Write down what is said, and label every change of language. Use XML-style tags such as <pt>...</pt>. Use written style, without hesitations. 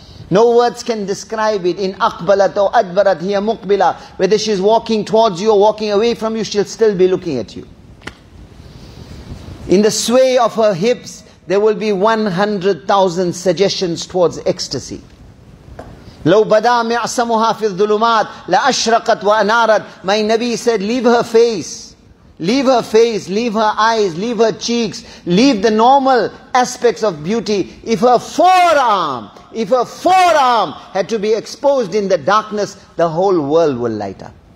<en>No words can describe it.</en> <ar>In aqbalat or adbarat, hiya muqbila.</ar> <en>Whether she's walking towards you or walking away from you, she'll still be looking at you. In the sway of her hips, there will be 100,000 suggestions towards ecstasy.</en> <ar>لو بدا معصمها في الظلمات لأشرقت وأنارت.</ar> <en>My Nabi said, leave her face. Leave her face, leave her eyes, leave her cheeks, leave the normal aspects of beauty. If her forearm had to be exposed in the darkness, the whole world will light up.</en>